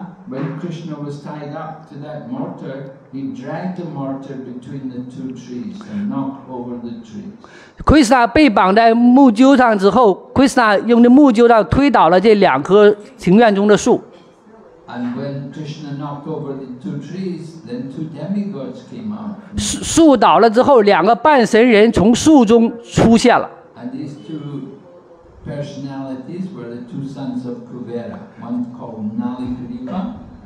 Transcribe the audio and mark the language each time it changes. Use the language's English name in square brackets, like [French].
[English] When Krishna was tied up to that mortar, he dragged the mortar between the two trees and knocked over the trees. [Chinese] Krishna 被绑在木臼上之后 ，Krishna 用的木臼上推倒了这两棵庭院中的树。 [English] And when Krishna knocked over the two trees, then two demigods came out. [Chinese] 树倒了之后，两个半神人从树中出现了。 [English] And these two personalities were the two sons of Kuvera, one called Nalikriva.